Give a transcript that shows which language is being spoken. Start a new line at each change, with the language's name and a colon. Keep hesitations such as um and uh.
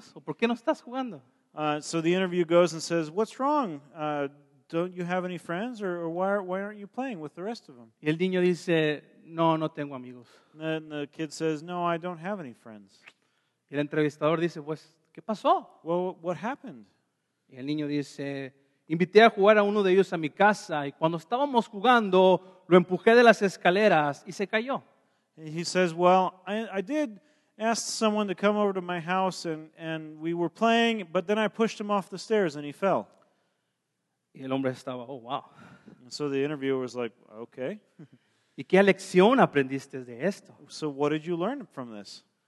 English: Uh, so the interview goes and says, "What's wrong? Uh, don't you have any friends, or, or why, are, why, aren't you playing with the rest of them?"
Spanish: Y el niño dice, "No, no tengo amigos."
English: then the kid says, "No, I don't have any friends."
Spanish: Y el entrevistador dice, well, ¿qué pasó?
English: Well, what happened?
Spanish: Y el niño dice, "Invité a jugar a uno de ellos a mi casa, y cuando estábamos jugando, lo empujé de las escaleras y se cayó."
English: And he says, "Well, I, I did." asked someone to come over to my house and, and we were playing, but then I pushed him off the stairs and he fell.
Spanish: Y el hombre estaba,
English: oh, wow. And so the interviewer was like, okay.
Spanish: ¿Y qué lección aprendiste de esto?
English: So what did you learn from this?